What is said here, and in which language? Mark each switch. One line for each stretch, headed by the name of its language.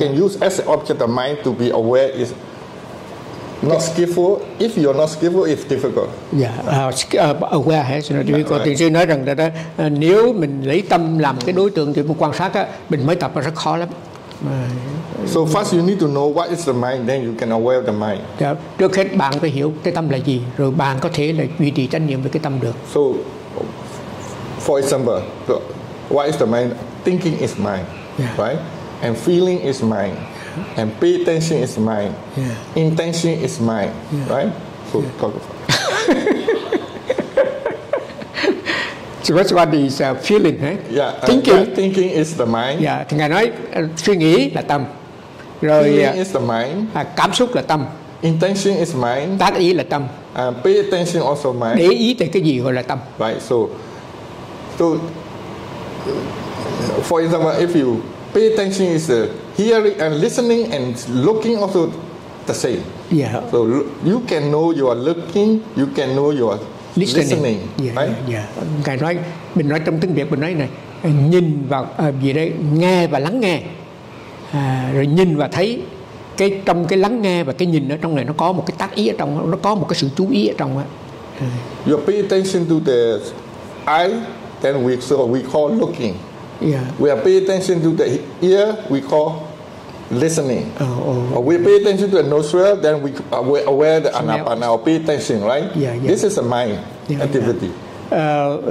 English: You can use as an object the mind to be aware is not yeah. skillful. If you're not skillful, it's difficult. Yeah, aware has not difficult.
Vietnamese: Right. Thì nói rằng là nếu mình lấy tâm làm cái đối tượng thì mình quan sát á, mình mới tập rất khó lắm.
English: So first you need to know what is the mind, then you can aware the mind. Yeah.
Vietnamese: Trước hết bạn phải hiểu cái tâm là gì, rồi bạn có thể là duy trì chánh niệm với cái tâm được.
English: So for example, what is the mind? Thinking is mind, yeah. right? And feeling is mind, yeah. and pay attention is mind, yeah. intention is mind, yeah. right? So yeah. talk about. So first one is feeling, right? Yeah. Thinking. Yeah, thinking is the mind. Yeah.
Vietnamese: Thì ngài nói suy nghĩ là tâm. Rồi,
English: feeling is the mind.
Vietnamese: Cảm xúc là tâm.
English: Intention is mind.
Vietnamese: Tác ý là tâm.
English: Pay attention also mind.
Vietnamese: Để ý tới cái gì gọi là tâm.
English: Right. So for example, if you pay attention is hearing and listening and looking also the same. Yeah. So you can know you are looking, you can know you are listening. Yeah, right? Yeah.
Vietnamese: Ngài nói, mình nói trong tiếng Việt mình nói này, nhìn vào gì đây, nghe và lắng nghe. Rồi nhìn và thấy cái trong cái lắng nghe và cái nhìn ở trong này nó có một cái tác ý ở trong, nó có một cái sự chú ý ở trong á.
English: You pay attention to the eye, then we call looking. Yeah. We are pay attention to the ear, we call listening. Oh. We pay attention to the nostril, then we aware the anapana, or pay attention, right? Yeah, yeah. This is a mind activity. Yeah.